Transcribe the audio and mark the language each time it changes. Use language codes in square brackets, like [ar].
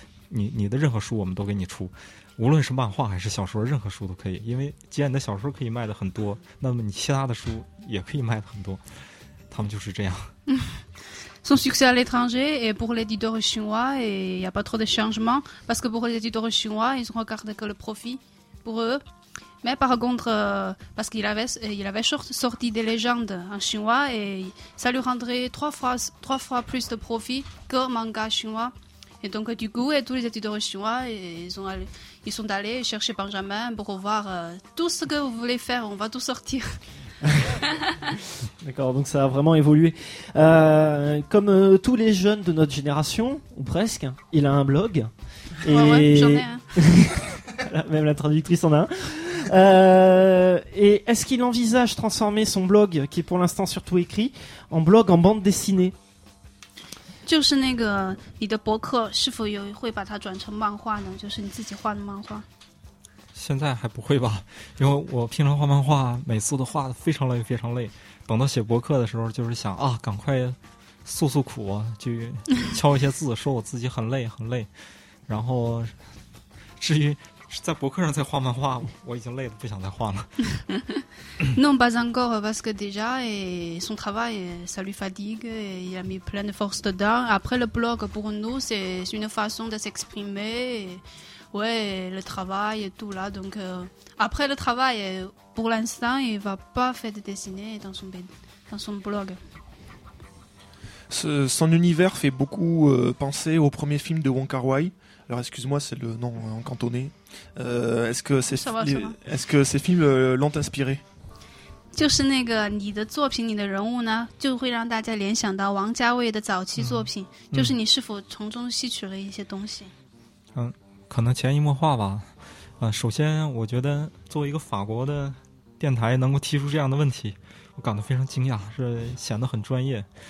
[zh] 你的任何书我们都给你出，无论是漫画还是小说，任何书都可以。因为既然你的小说可以卖的很多，那么你其他的书也可以卖的很多。他们就是这样。 [fr] Son succès à l'étranger et pour l'éditeur chinois, il n'y a pas trop de changement parce que pour les éditeurs chinois, ils ne regardent que le profit pour eux. Mais par contre, parce qu'il avait sorti des légendes en chinois et ça lui rendrait trois fois plus de profit que manga chinois. Et donc, du coup, tous les étudiants chinois, ils sont allés chercher Benjamin pour voir tout ce que vous voulez faire. On va tout sortir. D'accord, donc ça a vraiment évolué. Comme tous les jeunes de notre génération, ou presque, il a un blog. Ouais, et... ouais, j'en ai un. Même la traductrice en a un. Et est-ce qu'il envisage transformer son blog, qui est pour l'instant surtout écrit, en blog en bande dessinée ? [zh] 就是那个你的博客是否有会把它转成漫画呢？就是你自己画的漫画。现在还不会吧，因为我平常画漫画，每次都画得非常累，非常累。等到写博客的时候，就是想啊，赶快诉诉苦，去敲一些字，说我自己很累，很累。然后，至于在博客上再画漫画，我已经累得不想再画了。 [fr] Non, pas encore, parce que déjà, son travail, ça lui fatigue, il a mis plein de force dedans. Après, le blog, pour nous, c'est une façon de s'exprimer. Ouais, le travail et tout là. Donc, après le travail, pour l'instant, il ne va pas faire de dessiner dans son blog. Son univers fait beaucoup penser au premier film de Wong Kar-wai. Alors excuse-moi, c'est le nom en cantonais. Est-ce que ces films l'ont inspiré ? [zh] 就是那个你的作品，你的人物呢，就会让大家联想到王家卫的早期作品。就是你是否从中吸取了一些东西？可能潜移默化吧。首先我觉得作为一个法国的电台能够提出这样的问题，我感到非常惊讶，是显得很专业。